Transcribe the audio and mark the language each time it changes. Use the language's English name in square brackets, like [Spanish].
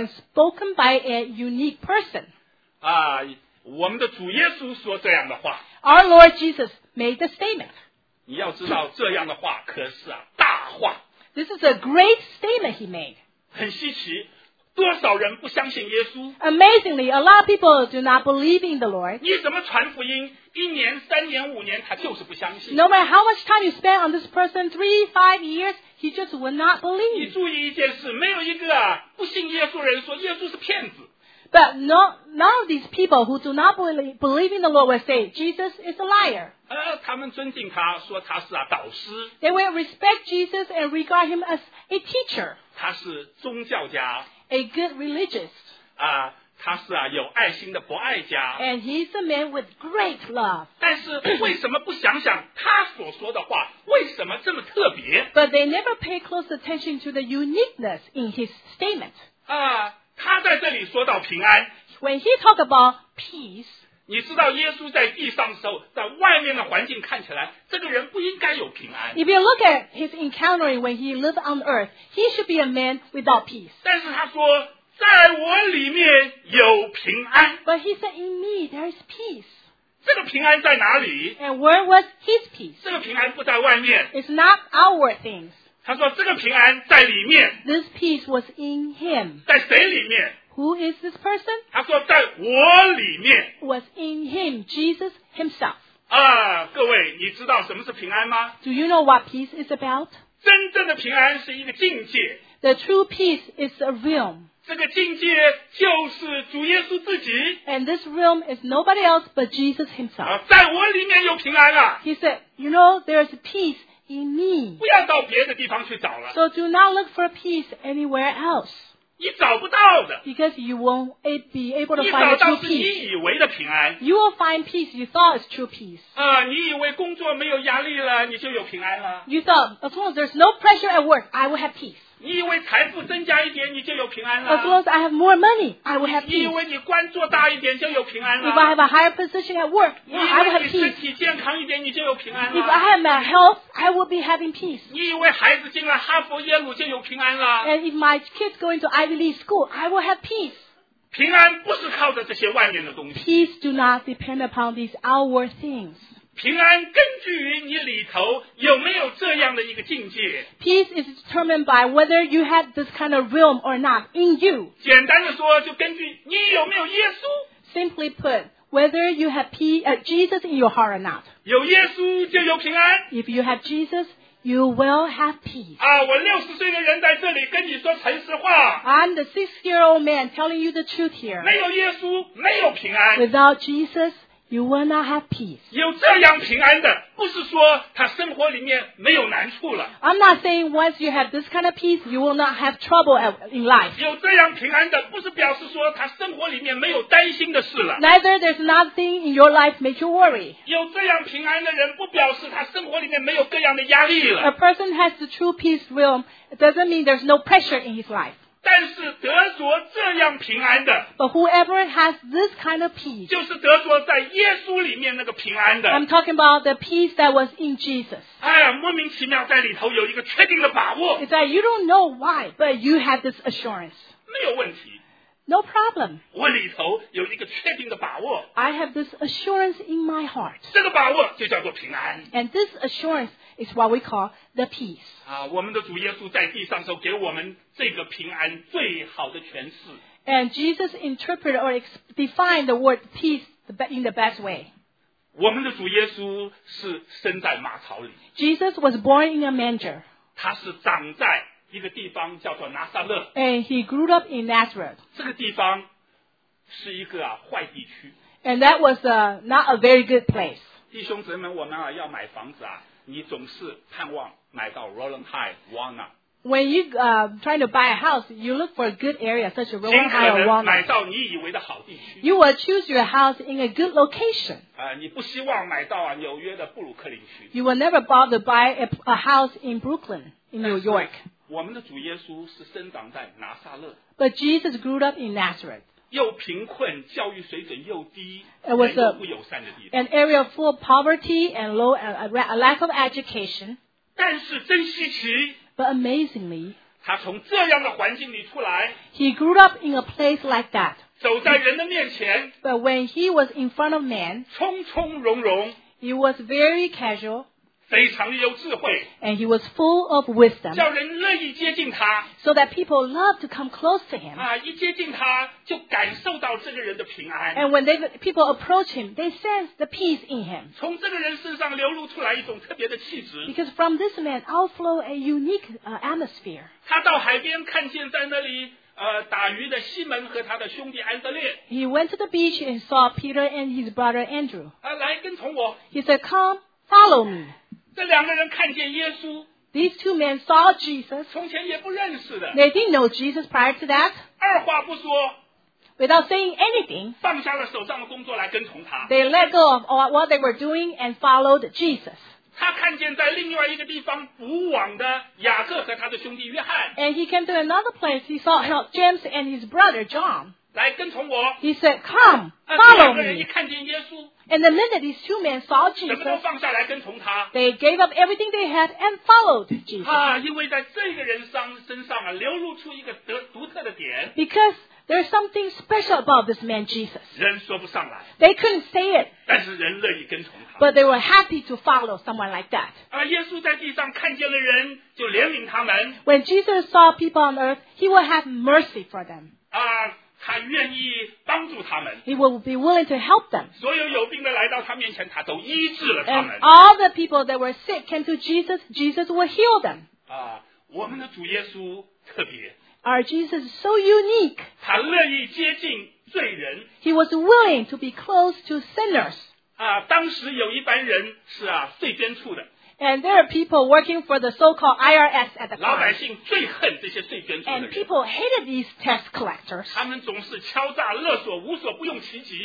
[English] And spoken by a unique person. [Chinese] 啊，我们的主耶稣说这样的话。 [English] Our Lord Jesus made the statement. [Chinese] 你要知道这样的话可是啊大话。 [English] This is a great statement he made. [Chinese] 很稀奇，多少人不相信耶稣。 [English] Amazingly, a lot of people do not believe in the Lord. [Chinese] 你怎么传福音一年三年五年他就是不相信。 [English] No matter how much time you spend on this person, 3-5 years, he just would not believe. [Chinese] 你注意一件事，没有一个啊不信耶稣人说耶稣是骗子。 [English] But none of these people who do not believe in the Lord will say Jesus is a liar. [Chinese] 他们尊敬他，说他是啊导师。 [English] They will respect Jesus and regard him as a teacher. [Chinese] 他是宗教家。 [English] A good religious. [Chinese] 他是啊有爱心的博爱家。 [English] And he's a man with great love. [Chinese] 但是为什么不想想他所说的话为什么这么特别？ [English] But they never pay close attention to the uniqueness in his statement. [Chinese] 他在这里说到平安。 [English] When he talked about peace, [Chinese] 你知道耶稣在地上的时候，在外面的环境看起来，这个人不应该有平安。 [English] If you look at his encountering when he lived on earth, he should be a man without peace. [Chinese] 但是他说，在我里面有平安。 [English] But he said, in me there is peace. [Chinese] 这个平安在哪里？ [English] And where was his peace? [Chinese] 这个平安不在外面。 [English] It's not outward things. [Chinese] 他说这个平安在里面。 [English] This peace was in him. [Chinese] 在谁里面？ [English] Who is this person? [Chinese] 他说在我里面。 [English] Was in him, Jesus himself. [Chinese] 各位，你知道什么是平安吗？ [English] Do you know what peace is about? [Chinese] 真正的平安是一个境界。 [English] The true peace is a realm. [Chinese] 这个境界就是主耶稣自己。 [English] And this realm is nobody else but Jesus himself. [Chinese] 在我里面有平安啊。 [English] He said, you know, there is peace. In me. [Chinese] 不要到别的地方去找了。 [English] So do not look for peace anywhere else. [Chinese] 你找不到的。 [English] Because you won't be able to find the true peace. [Chinese] 你找到是你以为的平安。 [English] You will find peace you thought is true peace. [Chinese] 你以为工作没有压力了，你就有平安了。 [English] You thought, as long as there's no pressure at work, I will have peace. [Chinese] 你以为财富增加一点，你就有平安了。 [English] As long as I have more money, I will have peace. [Chinese] 你以为你官做大一点，就有平安了。 [English] If I have a higher position at work, I will have peace. [Chinese] 你以为你身体健康一点，你就有平安了。 [English] If I have my health, I will be having peace. [Chinese] 你以为孩子进了哈佛、耶鲁就有平安了。 [English] And if my kids go into Ivy League school, I will have peace. [Chinese] 平安不是靠着这些外面的东西。 [English] Peace do not depend upon these outward things. [Chinese] 平安根据于你里头有没有这样的一个境界。 [English] Peace is determined by whether you have this kind of realm or not in you. [Chinese] 简单的说，就根据你有没有耶稣。 [English] Simply put, whether you have Jesus in your heart or not. [Chinese] 有耶稣就有平安。 [English] If you have Jesus,You will have peace. [Chinese] 啊，我六十岁的人在这里跟你说诚实话。 [English] I'm the 60-year-old man telling you the truth here. [Chinese] 没有耶稣，没有平安。 [English] Without Jesus, you will not have peace. [Chinese] 有这样平安的，不是说他生活里面没有难处了。 [English] I'm not saying once you have this kind of peace, you will not have trouble in life. [Chinese] 有这样平安的，不是表示说他生活里面没有担心的事了。 [English] Neither there's nothing in your life makes you worry. [Chinese] 有这样平安的人，不表示他生活里面没有各样的压力了。 [English] A person has the true peace realm doesn't mean there's no pressure in his life. [Chinese] 但是得着这样平安的 [English] But whoever has this kind of peace [Chinese] 就是得着在耶稣里面那个平安的 [English] I'm talking about the peace that was in Jesus [Chinese] 哎呀莫名其妙在里头有一个确定的把握 [English] It's that you don't know why but you have this assurance [Chinese] 没有问题 [English] No problem [Chinese] 我里头有一个确定的把握 [English] I have this assurance in my heart [Chinese] 这个把握就叫做平安 [English] And this assurance is what we call the peace [Chinese] 啊，我们的主耶稣在地上的时候给我们这个平安最好的诠释。 [English] And Jesus interpreted or defined the word peace in the best way. [Chinese] 我们的主耶稣是生在马槽里。 [English] Jesus was born in a manger. [Chinese] 他是长在一个地方叫做拿撒勒。 [English] And he grew up in Nazareth. [Chinese] 这个地方是一个坏地区。 [English] And that was not a very good place. [Chinese] 弟兄姊妹们，我们要买房子啊，你总是盼望买到 Roland High, Warner。 [English] When you trying to buy a house, you look for a good area such as Roland High or Walnut. [Chinese] 买到你以为的好地区。 [English] You will choose your house in a good location. [Chinese] 你不希望买到纽约的布鲁克林区。 [English] You will never bother to buy a house in Brooklyn, in New York. [Chinese] 我们的主耶稣是生长在拿撒勒。 [English] But Jesus grew up in Nazareth. [Chinese] 又贫困，教育水准又低。 [English] It was an area full of poverty and low a lack of education. [Chinese] 但是真稀奇。 [English] But amazingly, [Chinese] 他从这样的环境里出来, [English] he grew up in a place like that. [Chinese] 走在人的面前, [English] but when he was in front of man, [Chinese] 匆匆融融, [English] he was very casual, [Chinese] 非常有智慧, [English] and he was full of wisdom, [Chinese] 叫人乐意接近他, [English] so that people loved to come close to him. [Chinese] 啊, 一接近他, 就感受到这个人的平安, [English] and when people approach him, they sense the peace in him. [Chinese] 从这个人身上流露出来一种特别的气质, [English] because from this man outflow a unique atmosphere. [Chinese] 他到海边看见在那里打鱼的西门和他的兄弟安德烈。 [English] He went to the beach and saw Peter and his brother Andrew. [Chinese] 啊，来跟从我。 [English] He said, "Come, follow me." [Chinese] 这两个人看见耶稣。 [English] These two men saw Jesus. [Chinese] 从前也不认识的。 [English] They didn't know Jesus prior to that. [Chinese] 二话不说。 [English] Without saying anything. [Chinese] 放下了手上的工作来跟从他。 [English] They let go of what they were doing and followed Jesus. [Chinese] 他看见在另外一个地方捕网的雅各和他的兄弟约翰。 [English] And he came to another place. He saw James and his brother John. [Chinese] 来跟从我。 [English] He said, "Come, follow me." [Chinese] 两个人一看见耶稣。 [English] And the minute these two men saw Jesus, [Chinese] 什么都放下来跟从他。 [English] They gave up everything they had and followed Jesus. [Chinese] 啊，因为在这个人身上啊，流露出一个独特的点。 [English] Because there's something special about this man Jesus. [Chinese] 人说不上来。 [English] They couldn't say it. [Chinese] 但是人乐意跟从。 [English] But they were happy to follow someone like that. [Chinese] 耶稣在地上看见了人，就怜悯他们。 [English] When Jesus saw people on earth, he would have mercy for them. [Chinese] 他愿意帮助他们。 [English] He would be willing to help them. [Chinese] 所有有病的来到他面前，他都医治了他们。 [English] And all the people that were sick came to Jesus, Jesus would heal them. [Chinese] 我们的主耶稣特别。 [English] Our Jesus is so unique. [Chinese] 他乐意接近罪人。 [English] He was willing to be close to sinners. [Chinese] 当时有一班人是最边处的。 [English] And there are people working for the so-called IRS at the time. [Chinese] 老百姓最恨这些最边处的人。 [English] And people hated these tax collectors. [Chinese] 他们总是敲诈勒索，无所不用其极。